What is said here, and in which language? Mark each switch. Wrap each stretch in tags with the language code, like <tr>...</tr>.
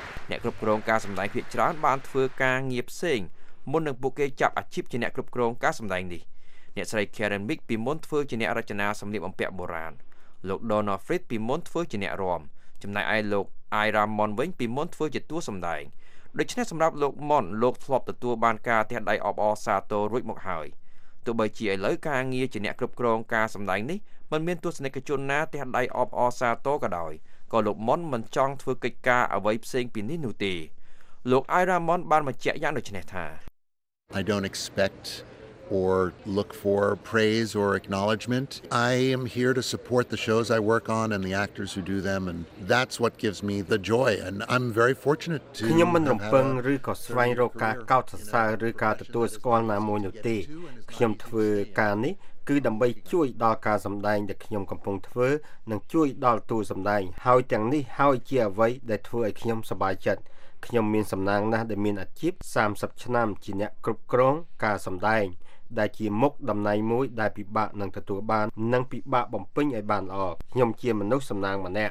<km>អ្នកគ្រប់គ្រងការសម្ដែងភាគច្រើនបានធ្វើការងារផ្សេងមុននឹងពួកគេចាប់អាជីពជាអ្នកគ្រប់គ្រងការសម្ដែងនេះអ្នកស្រី Karen Meek ពីមុនធ្វើជាអ្នករចនាសម្លៀកបំពាក់បុរាណលោក Donald Fried ពីមុនធ្វើជាអ្នករាំចំណែកឯលោក Ira Mon វិញពីមុនធ្វើជាតួសម្ដែងដូច្នេះសម្រាប់លោក Mon លោកធ្លាប់ទទួលបានការទះដៃអបអរសាទររួចមកហើយ ទោះបីជាឥឡូវការងារជាអ្នកគ្រប់គ្រងការសម្ដែងនេះមិនមានទស្សនិកជនណាទះដៃអបអរសាទរក៏ដោយក៏លោក Mon មិនចង់ធ្វើកិច្ចការអ្វីផ្សេងពីនេះនោះទេលោក Ira Mon បានបញ្ជាក់យ៉ាងដូច្នេះថា</km> <en>I don't expect or look for praise or acknowledgement. I am here to support the shows I work on and the actors who do them and that's what gives me the joy and I'm very fortunate to</en> <km>ខ្ញុំមិនរំពឹងឬក៏ស្វែងរកការកោតសរសើរឬការទទួលស្គាល់ណាមួយនោះទេខ្ញុំធ្វើការនេះគឺដើម្បីជួយដល់ការសម្ដែងដែលខ្ញុំកំពុងធ្វើនិងជួយដល់តួសម្ដែងហើយទាំងនេះហើយជាអ្វីដែលធ្វើឲ្យខ្ញុំសប្បាយចិត្តខ្ញុំមានសំណាងណាស់ដែលមានអាជីព30ឆ្នាំជាអ្នកគ្រប់គ្រងការសម្ដែងដែលជាមុខតំណែងមួយដែលពិបាកនឹងទទួលបាននិងពិបាកបំពេញឲ្យបានល្អខ្ញុំជាមនុស្សសំណាងម្នាក</km>